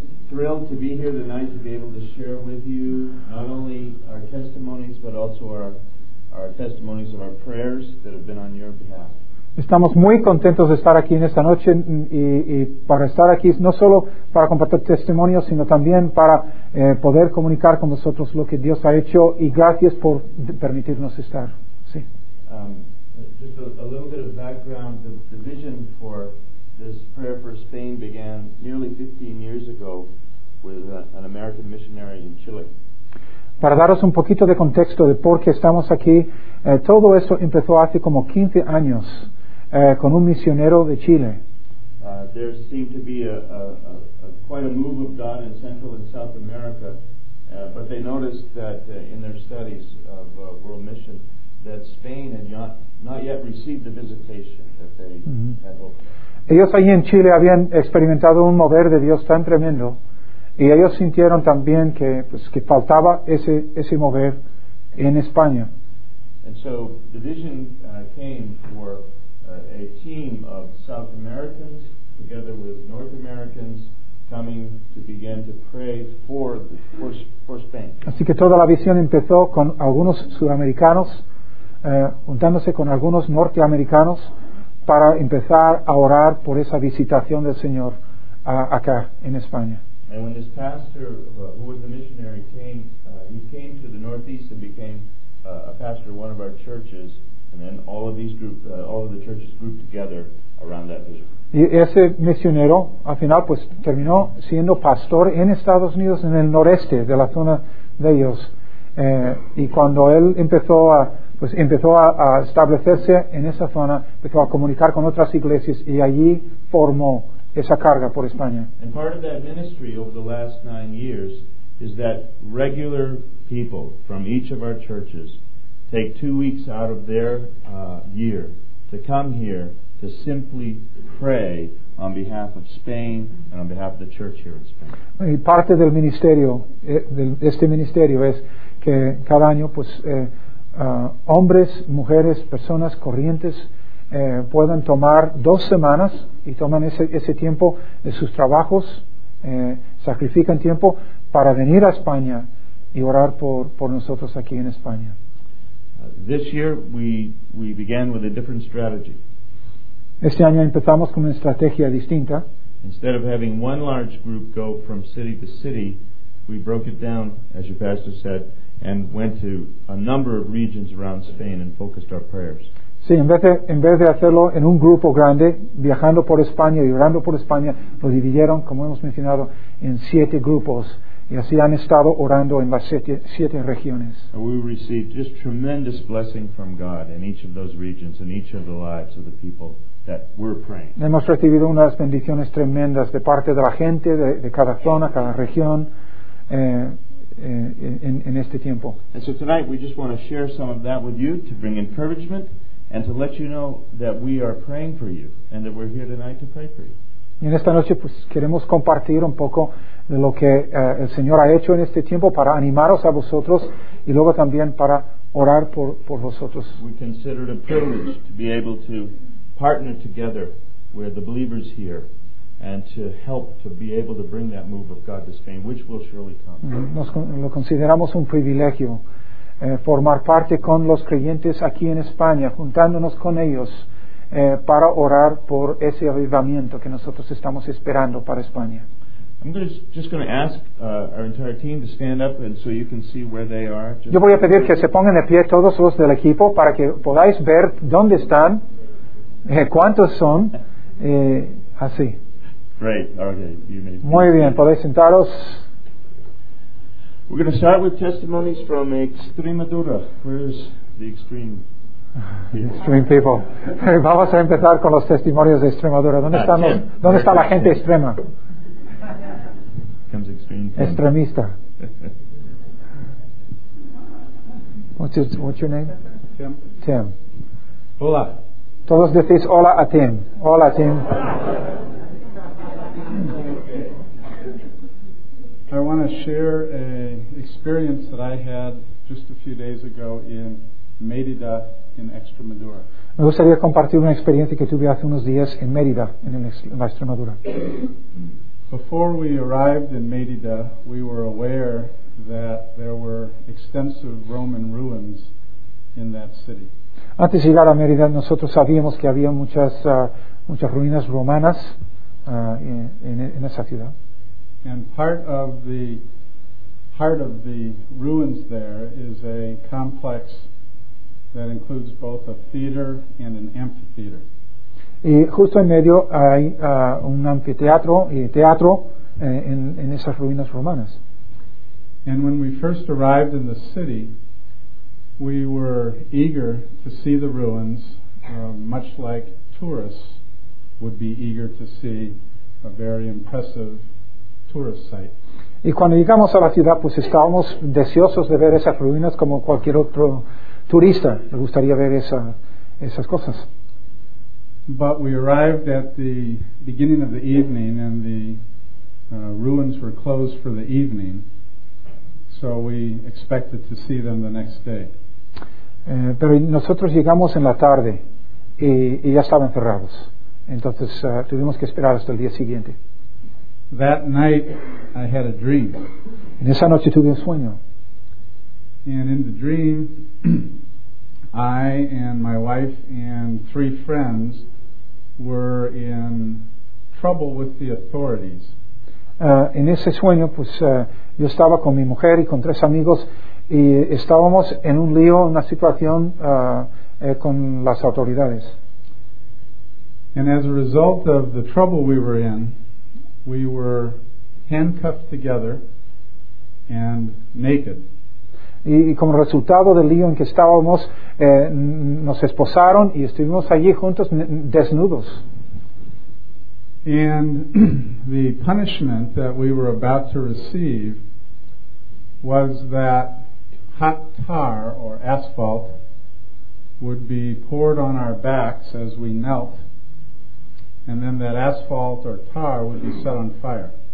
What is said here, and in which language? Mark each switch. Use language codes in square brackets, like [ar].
[en] thrilled to be here tonight to be able to share with you not only our testimonies, but also our testimonies of our prayers that have been on your behalf. [es] Estamos muy contentos de estar aquí en esta noche y para estar aquí no solo para compartir testimonios, sino también para poder comunicar con vosotros lo que Dios ha hecho, y gracias por permitirnos estar. Sí. [en] Just a little bit of background. The vision for this prayer for Spain began nearly 15 years ago with an American missionary in Chile. [es] Para daros un poquito de contexto de por qué estamos aquí, todo esto empezó hace como 15 años con un misionero de Chile. [en] There seemed to be quite a move of God in Central and South America, but they noticed that in their studies of world mission that Spain had not yet received the visitation that they had hoped. [es] Ellos allí en Chile habían experimentado un mover de Dios tan tremendo, y ellos sintieron también que pues que faltaba ese mover en España. [en] And so the vision came for a team of South Americans together with North Americans coming to begin to pray for Spain. [es] Así que toda la visión empezó con algunos sudamericanos juntándose con algunos norteamericanos para empezar a orar por esa visitación del Señor acá en España. [en] And when this pastor, who was the missionary, came, he came to the Northeast and became a pastor of one of our churches, and then all of these groups, all of the churches grouped together around that vision. [es] Y ese misionero, al final, pues terminó siendo pastor en Estados Unidos, en el noreste de la zona de ellos. Y cuando él empezó a establecerse en esa zona, empezó a comunicar con otras iglesias, y allí formó esa carga por España. [en] And part of that ministry over the last 9 years is that regular people from each of our churches take 2 weeks out of their year to come here to simply pray on behalf of Spain and on behalf of the church here in Spain. [es] Y parte del ministerio, este ministerio, es que cada año pues hombres, mujeres, personas corrientes puedan tomar 2 semanas, y toman ese tiempo de sus trabajos, sacrifican tiempo para venir a España y orar por nosotros aquí en España. [en] This year we began with a different strategy. [es] Este año empezamos con una estrategia distinta. [en] Instead of having one large group go from city to city, we broke it down, as your pastor said, and went to a number of regions around Spain and focused our prayers. [es] Sí, en vez de hacerlo en un grupo grande, viajando por España y orando por España, lo dividieron, como hemos mencionado, en 7 grupos, y así han estado orando en las 7 regiones. [en] We received just tremendous blessing from God in each of those regions, in each of the lives of the people that we're praying. [es] Hemos recibido unas bendiciones tremendas de parte de la gente de cada zona, cada región, en este tiempo. [en] And so tonight we just want to share some of that with you to bring encouragement and to let you know that we are praying for you and that we're here tonight to pray for you. [es] Y en esta noche pues queremos compartir un poco de lo que el Señor ha hecho en este tiempo para animaros a vosotros y luego también para orar por vosotros. [en] We consider it a privilege to be able to partner together with the believers here and to help to be able to bring that move of God to Spain, which will surely come. [es] Lo consideramos un privilegio formar parte con los creyentes aquí en España, juntándonos con ellos para orar por ese avivamiento que nosotros estamos esperando para España. [en] I'm just going to ask our entire team to stand up and so you can see where they are. [es] Yo voy a pedir que se pongan de pie todos los del equipo para que podáis ver dónde están, cuántos son, así. [en] Great. Okay. You may. [es] Muy bien. Podéis sentaros. [en] We're going to start with testimonies from Extremadura. Where's the extreme? The extreme people. [es] Vamos a empezar con los testimonios de Extremadura. ¿Dónde están los? ¿Dónde está la gente extrema? [en] Comes extreme. [es] Extremista. [en] What's your name? Tim. [es] Hola. Todos decís hola a Tim. Hola, Tim. [en] I want to share an experience that I had just a few days ago in Mérida, in Extremadura. [es] Me gustaría compartir una experiencia que tuve hace unos días en Mérida, en la Extremadura. [en] Before we arrived in Mérida, we were aware that there were extensive Roman ruins in that city. [es] Antes de llegar a Mérida, nosotros sabíamos que había muchas muchas ruinas romanas en esa ciudad. [en] And part of the ruins there is a complex that includes both a theater and an amphitheater. [es] Y justo en medio hay un anfiteatro y teatro en esas ruinas romanas. [en] And when we first arrived in the city, we were eager to see the ruins, much like tourists would be eager to see a very impressive tourist site. [es] Y cuando llegamos a la ciudad, pues estábamos deseosos de ver esas ruinas como cualquier otro turista. Me gustaría ver esas cosas. [en] But we arrived at the beginning of the evening, and the ruins were closed for the evening, so we expected to see them the next day. [es] Pero nosotros llegamos en la tarde y ya estaban cerrados. Entonces tuvimos que esperar hasta el día siguiente. [en] That night, I had a dream. [es] En esa noche tuve un sueño. [en] And in the dream, I and my wife and three friends were in trouble with the authorities. [es] En ese sueño, pues yo estaba con mi mujer y con tres amigos y estábamos en un lío, una situación con las autoridades. [en] And as a result of the trouble we were in, we were handcuffed together and naked. [es] Y como resultado del lío en que estábamos, nos esposaron y estuvimos allí juntos desnudos. [en] And the punishment that we were about to receive was that hot tar or asphalt would be poured on our backs as we knelt, and then that asphalt or tar would be set on fire.